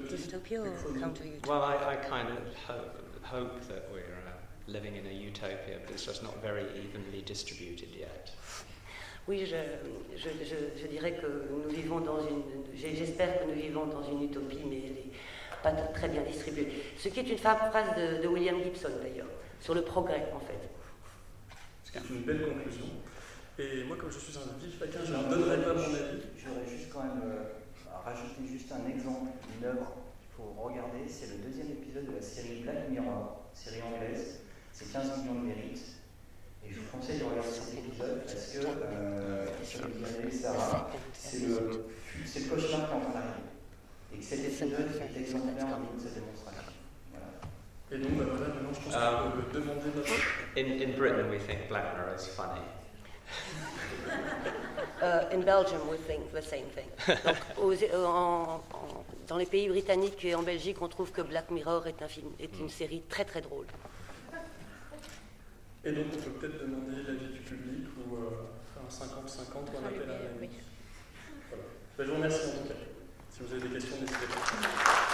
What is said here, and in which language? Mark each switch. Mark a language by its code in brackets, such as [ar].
[en] I kind of hope that we're living in a utopia, but it's just not very evenly distributed yet. [fr] Oui, je dirais que nous vivons dans une. J'espère que nous vivons dans une utopie, mais elle n'est pas très bien distribuée. Ce qui est une fameuse phrase de William Gibson, d'ailleurs, sur le progrès, en fait. C'est une belle conclusion. Et moi, comme je suis un vif chacun, je ne donnerai pas mon avis. J'aurais juste quand même rajouté juste un exemple d'une œuvre qu'il faut regarder. C'est le deuxième épisode de la série Black Mirror, série anglaise. C'est 15 millions de mérites. Et je vous conseille de regarder cet épisode parce que, comme vous l'avez dit, Sarah, c'est le cauchemar qui est en train d'arriver. Et que cet épisode est exemplaire en ligne de cette démonstration. Voilà. Et donc, voilà, maintenant, je pense qu'on peut demander notre. [en] In Britain, we think Black Mirror is funny. In Belgium, we think the same thing. [fr] Donc, dans les pays britanniques et en Belgique, on trouve que Black Mirror est un film, est une série très très drôle. Et donc, on peut peut-être demander l'avis du public ou faire un 50-50 ou un appel à la. Voilà. Je vous remercie en tout cas. Si vous avez des questions, n'hésitez pas.